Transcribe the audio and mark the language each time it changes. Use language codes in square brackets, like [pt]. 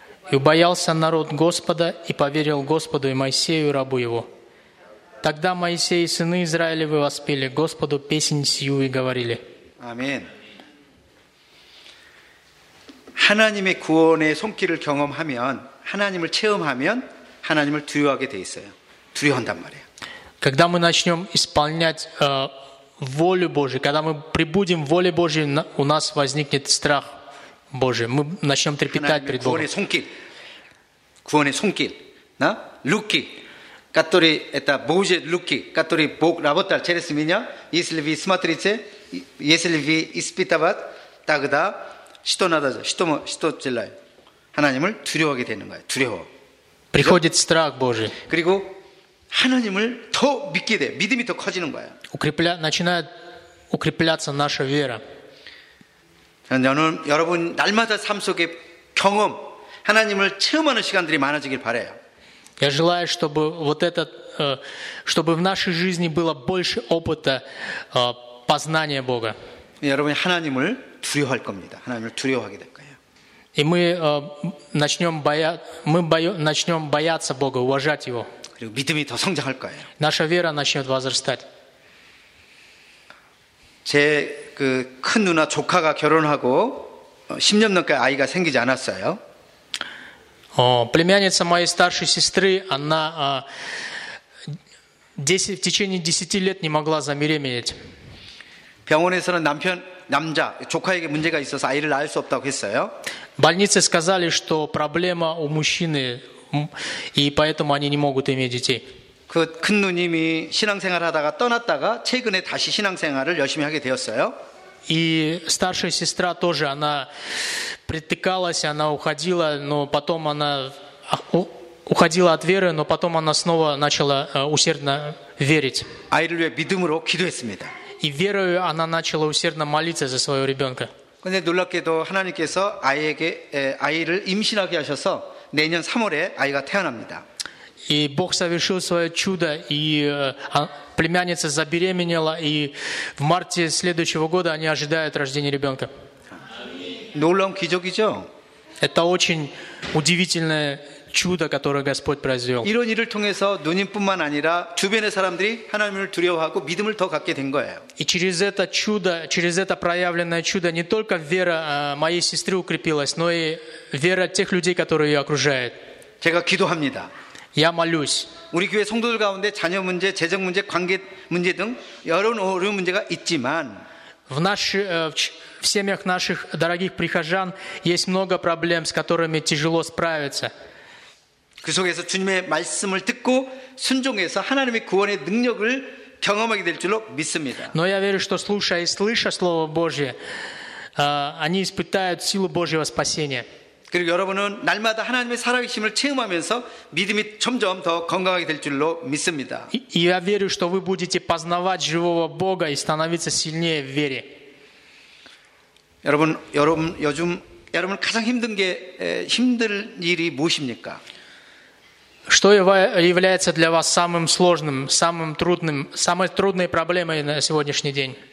[ru] И убоялся народ Господа, и поверил Господу и Моисею, рабу его. Тогда Моисей и сыны Израилевы воспели Господу песнь сию и говорили. Аминь. [ko] 하나님의 구원의 손길을 경험하면, 하나님을 체험하면, 하나님을 두려워하게 돼 있어요. 두려워한단 말이에요. [ru] Когда мы начнем исполнять волю Божию, когда мы прибудем в воле Божьей, у нас возникнет страх Божий. Мы начнем трепетать перед Богом. [ko] 구원의 손길. 구원의 손길. 나? [ru] Руки, которые это Божьи руки, которые Бог работал через меня. Если вы смотрите, если вы испытывать, тогда что надо? Что делать? [ko] 하나님을 두려워하게 되는 거예요. 두려워. [ru] Приходит страх Божий. [ko] 그리고 하나님을 더 믿게 돼. 믿음이 더 커지는 거예요. [ru] Начинает укрепляться наша вера. [ko] 여러분 날마다 삶 속에 경험 하나님을 체험하는 시간들이 많아지길 바래요. [ru] Я желаю, чтобы вот этот чтобы в нашей жизни было больше опыта познания Бога. [ko] 여러분 하나님을 두려워할 겁니다. 하나님을 두려워하게 될 거예요. [ru] И мы начнем бояться Бога, уважать его. [ko] 그리고 믿음이 더 성장할 거예요. [ru] Наша вера начнет возрастать. [ko] 제 그 큰 누나 조카가 결혼하고 10년 넘게 아이가 생기지 않았어요. [ru] Племянница моей старшей сестры, она 10 в течение 10 лет не могла забеременеть. [ko] 병원에서는 남편 남자 조카에게 문제가 있어서 아이를 낳을 수 없다고 했어요. [ru] Больнице сказали, что проблема у мужчины, и поэтому они не могут иметь детей. [ko] 그 큰 누님이 신앙생활 하다가 떠났다가 최근에 다시 신앙생활을 열심히 하게 되었어요. [ru] И старшая сестра тоже, она притыкалась, она уходила, но потом она уходила от веры, но потом она снова начала усердно верить. [ko] 아이를 위해 믿음으로 기도했습니다. [ru] И верою она начала усердно молиться за своего ребенка. [ko] 근데 놀랍게도 하나님께서 아이를 임신하게 하셔서 내년 3월에 아이가 태어납니다. [ru] И Бог совершил свое чудо, и племянница забеременела, и в марте следующего года они ожидают рождения ребенка. [ko] 놀라운 기적이죠? [ru] Это очень удивительное чудо, которое Господь произвел. [ko] 이런 일을 통해서 누님뿐만 아니라 주변의 사람들이 하나님을 두려워하고 믿음을 더 갖게 된 거예요. [ru] И через это чудо, через это проявленное чудо, не только вера моей сестры укрепилась, но и вера тех людей, которые ее окружают. [ko] 제가 기도합니다. [ru] Я молюсь. [ko] 우리 교회 성도들 가운데 자녀 문제, 재정 문제, 관계 문제 등 여러 어려운 문제가 있지만 [ru] в семьях наших дорогих прихожан есть много проблем, с которыми тяжело справиться. [ko] 그 속에서 주님의 말씀을 듣고 순종해서 하나님의 구원의 능력을 경험하게 될 줄로 믿습니다. [ru] Но я верю, что слушая и слыша слово Божье, они испытают силу Божьего спасения. [ko] 그리고 여러분은 날마다 하나님의 살아계심을 체험하면서 믿음이 점점 더 건강하게 될 줄로 믿습니다. [ru] Я верю, что вы будете познавать живого Бога и становиться сильнее в вере. [ko] 여러분 요즘 여러분 가장 힘든 게 힘들 일이 무엇입니까? [ru] Что является для вас самым сложным, самым трудным, самой трудной проблемой на сегодняшний день?